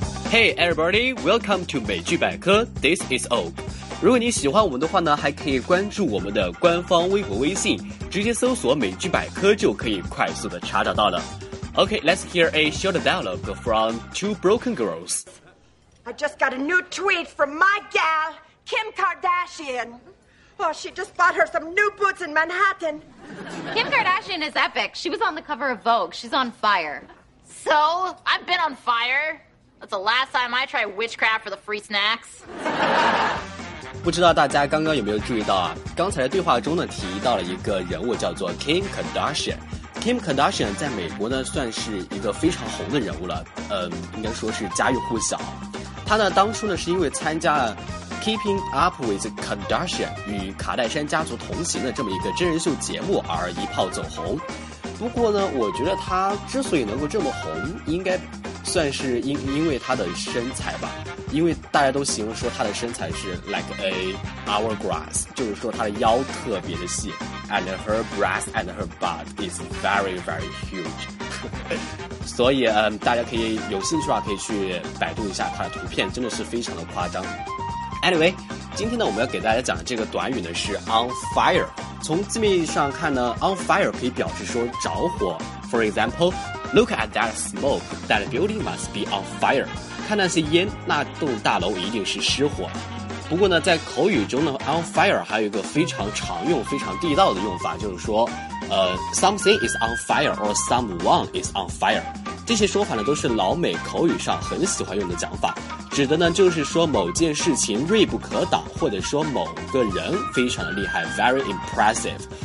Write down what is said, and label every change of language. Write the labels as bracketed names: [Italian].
[English] Hey everybody, welcome to 美剧百科 This is O。 [Chinese] 如果你喜欢我们的话呢，还可以关注我们的官方微博微信，直接搜索美剧百科就可以快速的查找到了。 [English] Okay, let's hear a short dialogue from Two Broken Girls. I just got a new tweet from my gal, Kim Kardashian. Well, she just bought her some new boots in Manhattan. Kim Kardashian is epic. She was on the cover of Vogue. She's on fire. So? I've been on fire. That's the last time I try witchcraft for the free snacks. [Chinese] 不知道大家刚刚有没有注意到啊？刚才的对话中呢，提到了一个人物叫做 Kim Kardashian。 Kim Kardashian 在美国呢，算是一个非常红的人物了，应该说是家喻户晓。他呢，当初呢，是因为参加了 Keeping Up with Kardashian 与卡戴珊家族同行的这么一个真人秀节目而一炮走红。不过呢，我觉得他之所以能够这么红，应该算是因为他的身材吧，因为大家都形容说他的身材是 [English] like a hourglass， [Chinese] 就是说他的腰特别的细 ， [English] and her breast and her butt is very very huge 。 [Chinese] 所以大家可以有兴趣的话可以去百度一下他的图片，真的是非常的夸张。 Anyway， 今天呢我们要给大家讲的这个短语呢是 on fire。从字面上看呢 ，on fire 可以表示说着火。 [English] For example。 Look at that smoke, that building must be on fire. [Chinese] 看那些烟，那栋大楼一定是失火。不过呢，在口语中呢 ，on fire 还有一个非常常用、非常地道的用法，就是说， [English] something is on fire [Chinese] or someone is on fire。这些说法呢，都是老美口语上很喜欢用的讲法，指的呢，就是说某件事情锐不可挡，或者说某个人非常的厉害 ， [English] very impressive。